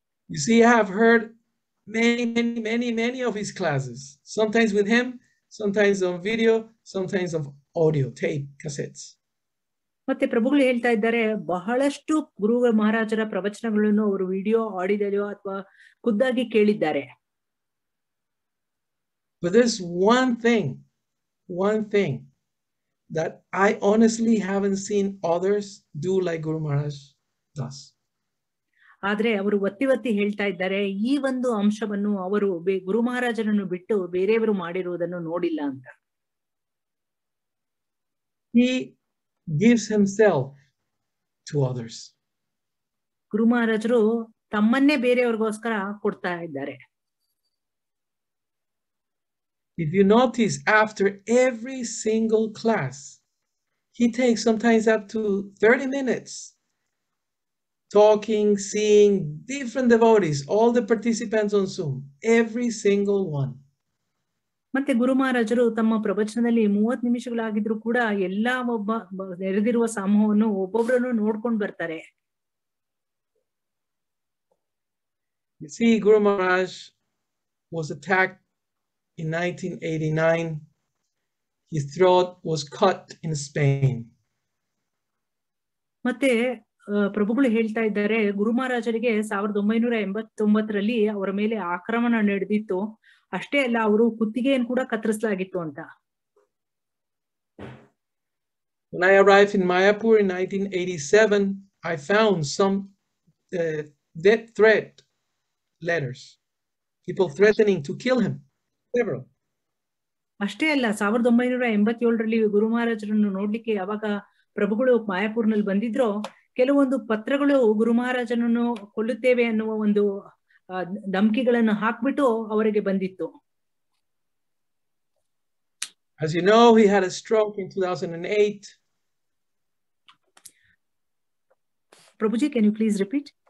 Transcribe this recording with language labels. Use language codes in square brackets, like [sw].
[en] You see, I have heard many, many, many, many of his classes. Sometimes with him, sometimes on video, sometimes of audio, tape, cassettes. [kn] ಮತ್ತೆ ಪ್ರಭುಗಳು ಹೇಳ್ತಾ ಇದ್ದಾರೆ ಬಹಳಷ್ಟು ಗುರು ಮಹಾರಾಜರ ಪ್ರವಚನಗಳನ್ನು ಅವರು video, audio ಅಥವಾ ಖುದ್ದಾಗಿ ಕೇಳಿದ್ದಾರೆ. [en] But there's one thing that I honestly haven't seen others do like Guru Maharaj does. [kn] ಆದ್ರೆ ಅವರು ಒತ್ತಿ ಒತ್ತಿ ಹೇಳ್ತಾ ಇದ್ದಾರೆ ಈ ಒಂದು ಅಂಶವನ್ನು ಅವರು ಗುರು ಮಹಾರಾಜರನ್ನು ಬಿಟ್ಟು ಬೇರೆಯವರು ಮಾಡಿರುವುದನ್ನು ನೋಡಿಲ್ಲ ಅಂತ. [en] He gives himself to others. [kn] ಗುರು ಮಹಾರಾಜರು ತಮ್ಮನ್ನೇ ಬೇರೆಯವರಿಗೋಸ್ಕರ ಕೊಡ್ತಾ ಇದ್ದಾರೆ. [en] If you notice, after every single class, he takes sometimes up to 30 minutes talking, seeing different devotees, all the participants on Zoom, every single one. [kn] ಮತ್ತೆ ಗುರು ಮಹಾರಾಜರು ತಮ್ಮ ಪ್ರವಚನದಲ್ಲಿ 30 ನಿಮಿಷಗಳಾಗಿದ್ರು ಕೂಡ ಎಲ್ಲಾ ಒಬ್ಬ ನೆರೆದಿರುವ ಸಮೂಹವನ್ನು ಒಬ್ಬೊಬ್ಬರನ್ನು ನೋಡ್ಕೊಂಡು ಬರ್ತಾರೆ. [en] You see, Guru Maharaj was attacked in 1989. His throat was cut in Spain. [kn] ಮತ್ತೆ ಪ್ರಭುಗಳು ಹೇಳ್ತಾ ಇದ್ದಾರೆ ಗುರು ಮಹಾರಾಜರಿಗೆ 1989 ಅವರ ಮೇಲೆ ಆಕ್ರಮಣ ನಡೆದಿತ್ತು. ಅಷ್ಟೇ ಅಲ್ಲ, ಅವರು ಕುತ್ತಿಗೆಯನ್ನು ಕೂಡ ಕತ್ತರಿಸಲಾಗಿತ್ತು ಅಂತ. [en] When I arrived in Mayapur in 1987, I found some death threat letters people threatening to kill him. Several. [kn] ಅಷ್ಟೇ ಅಲ್ಲ 1987ರಲ್ಲಿ ಗುರು ಮಹಾರಾಜರನ್ನು ನೋಡ್ಲಿಕ್ಕೆ ಯಾವಾಗ ಪ್ರಭುಗಳು ಮಾಯಾಪುರ್ನಲ್ಲಿ ಬಂದಿದ್ರು ಕೆಲವೊಂದು ಪತ್ರಗಳು ಗುರು ಮಹಾರಾಜನನ್ನು ಕೊಲ್ಲುತ್ತೇವೆ ಅನ್ನುವ ಒಂದು ಧಮಕಿಗಳನ್ನು ಹಾಕ್ಬಿಟ್ಟು ಅವರಿಗೆ ಬಂದಿತ್ತು. [en] As you know, he had a stroke in 2008. Prabhuji, can you please repeat?